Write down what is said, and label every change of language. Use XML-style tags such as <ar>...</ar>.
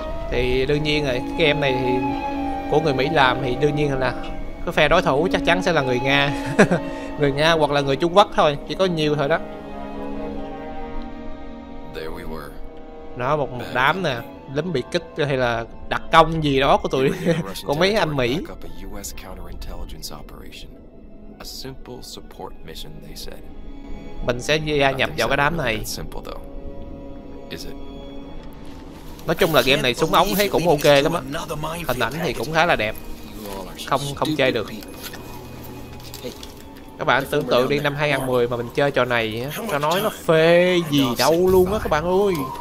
<vi>Thì đương nhiên rồi, cái game này thì của người Mỹ làm thì đương nhiên là cái phe đối thủ chắc chắn sẽ là người Nga. Người Nga hoặc là người Trung Quốc thôi, chỉ có nhiều thôi đó. nó một đám nè lính biệt kích hay là đặc công gì đó của tụi của mấy anh Mỹ.</vi> <en>US counterintelligence operation. A simple support mission, they said.</en> <vi>Mình sẽ gia nhập vào cái đám này. Nói chung là game này súng ống thấy cũng ok lắm á. Hình ảnh thì cũng khá là đẹp. Không chơi được. Các bạn tưởng tượng đi, năm 2010 mà mình chơi trò này á, tao nói nó phê gì đâu luôn á các bạn ơi.</vi>